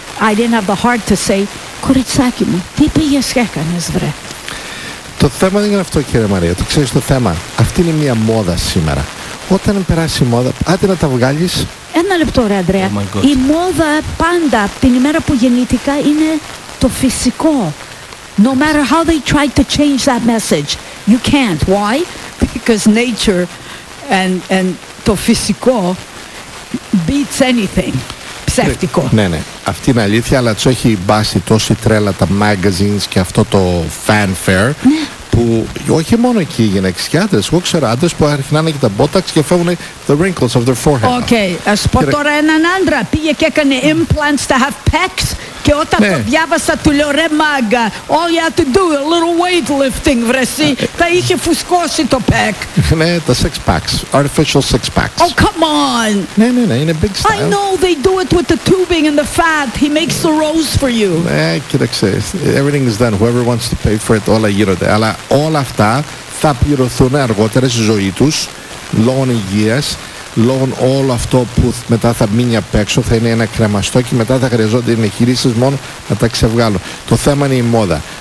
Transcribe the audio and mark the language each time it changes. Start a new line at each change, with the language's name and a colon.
English: I didn't have the heart to say,
Greek: κοριτσάκι μου, τι πήγες και έκανες, βρε. Το θέμα δεν είναι αυτό, κύριε Μαρία, το ξέρεις το θέμα. Αυτή είναι μια μόδα σήμερα. Όταν περάσει η μόδα, άντε να τα βγάλεις. Ένα λεπτό ρε Ανδρέα, oh, η μόδα πάντα από την ημέρα που γεννήθηκα είναι το φυσικό.
English: No matter how they try to change that message, you can't. Why? Because nature and
Greek: το φυσικό
English: beats anything.
Greek: Ψεύτικο. Ναι, ναι. Αυτή είναι αλήθεια, αλλά τσ' έχει μπάσει τόση τρέλα τα magazines και αυτό το fanfare. Ναι. Που όχι μόνο εκεί οι γυναίκες και άντρες, εγώ ξέρω άντρες που αρχινάνε και τα botox και φεύγουν
English: the wrinkles of their forehead.
Greek: Οκ, okay, ας πω και τώρα έναν άντρα, πήγε και έκανε implants
English: to have pecs
Greek: και όταν ναι. το διάβασα του λέω ρε μάγκα,
English: all you have to do a little weightlifting
Greek: βρεσί, θα είχε φουσκώσει το pec. Ναι, τα
English: six packs, artificial six packs. Oh, come on!
Greek: Ναι, ναι, ναι, είναι
English: big style. I know they do it with the tubing and the fat, he makes the rose for you.
Greek: Ναι, κοίταξε,
English: everything is done, whoever wants to pay for it,
Greek: όλα γίνονται, αλλά όλα αυτά θα πληρωθούν αργότερα στη ζωή τους λόγω υγείας, λόγω όλο αυτό που μετά θα μείνει απ' έξω, θα είναι ένα κρεμαστό και μετά θα χρειαζόνται οι εγχειρήσεις μόνο να τα ξεβγάλω. Το θέμα είναι η μόδα.